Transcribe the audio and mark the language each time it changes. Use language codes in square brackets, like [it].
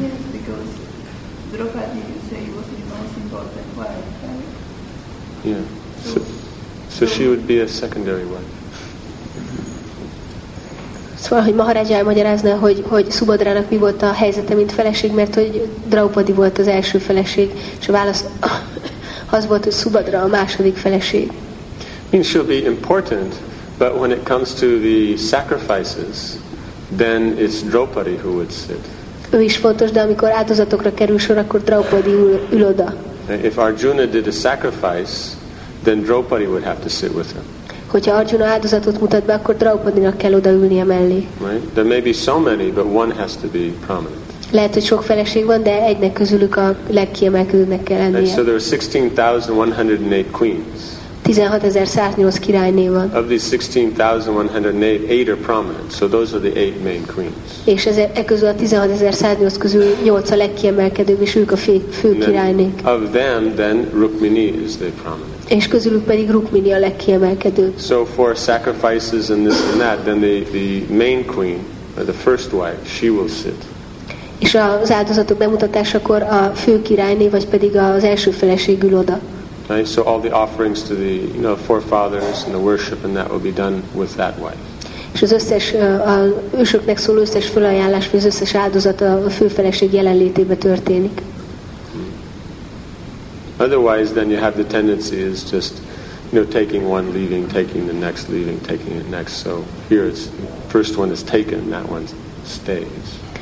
[en] Yes, because Draupadi, you say, was the most important wife. Yeah. So she would be a secondary wife. [hu] Szóval, hogy Maharaja elmagyarázna, hogy Subhadrának mi volt a helyzete, mint feleség, mert hogy Draupadi volt az első feleség, és a válasz az volt, hogy Subhadra a második feleség. [en] Means she'll be important. But when it comes to the sacrifices, then it's Draupadi who would sit. [hu] Ő is fontos, de amikor áldozatokra kerül sor, akkor Draupadi ül oda. [en] If Arjuna did a sacrifice, then Draupadi would have to sit with him. [hu] Hogyha Arjuna áldozatot mutat be, akkor Draupadinak kell oda ülnie mellé. [en] Right? There may be so many, but one has to be prominent. [hu] Lehet, hogy sok feleség van, de egynek közülük a legkiemelkedőnek kell lennie. [en] And so there are 16,108 queens. [hu] 16,108 királyné van. [en] Of these 16,108, eight are prominent. So those are the eight main queens. [hu] És e közül a 16,108 közül 8 a legkiemelkedőbb, és ők a fő királynék. [en] Of them, then Rukmini is the prominent. [hu] És közülük pedig Rukmini a legkiemelkedő. [en] So for sacrifices and this and that, then the main queen, or the first wife, she will sit. [hu] És az áldozatok bemutatásakor a fő királyné, vagy pedig az első feleség ül oda. [en] Right, so all the offerings to the, you know, forefathers and the worship and that will be done with that wife. [hu] És az összes ősöknek szóló összes fölajánlás, az összes áldozat a főfeleség jelenlétében történik. [en] Otherwise, then you have the tendency is just, you know, taking one, leaving, taking the next, leaving, taking the next. So here, it's the first one is taken, that one stays.